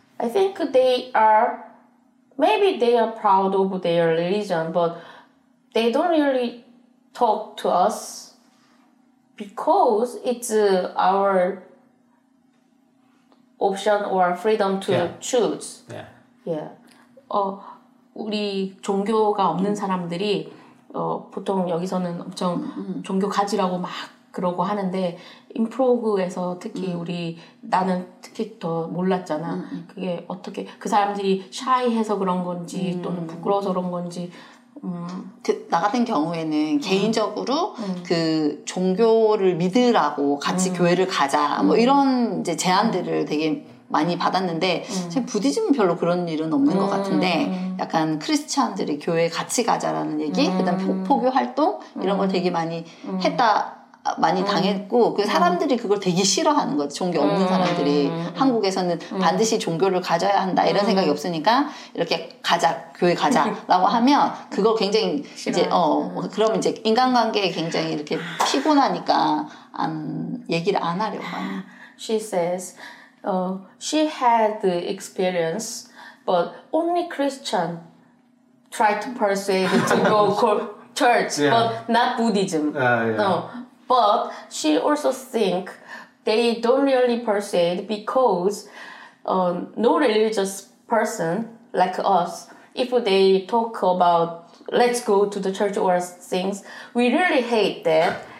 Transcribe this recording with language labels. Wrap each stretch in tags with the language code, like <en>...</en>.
<en>I think they are... Maybe they are proud of their religion, but they don't really talk to us because it's our option or freedom to choose. Yeah. Yeah.</en> <ko>우리 종교가 없는 사람들이 보통 여기서는 엄청 종교 가지라고 막 그러고 하는데 임프로그에서 특히 우리 나는 특히 더 몰랐잖아. 그게 어떻게 그 사람들이 샤이해서 그런 건지 또는 부끄러워서 그런 건지 나 같은 경우에는 개인적으로 그 종교를 믿으라고 같이 교회를 가자 뭐 이런 이제 제안들을 되게 많이 받았는데 지금 부디즘은 별로 그런 일은 없는 것 같은데 약간 크리스찬들이 교회 같이 가자라는 얘기 그다음 포교 활동 이런 걸 되게 많이 했다 많이 당했고 그 사람들이 그걸 되게 싫어하는 거지 종교 없는 사람들이 한국에서는 반드시 종교를 가져야 한다 이런 생각이 없으니까 이렇게 가자 교회 가자 라고 하면 그걸 굉장히 이제 그러면 이제 인간관계에 굉장히 이렇게 피곤하니까 얘기를 안 하려고</ko> <en>She says she had the experience but only Christian tried to persuade to go to church but not Buddhism no But she also think they don't really persuade because no religious person like us, if they talk about let's go to the church or things, we really hate that.</en>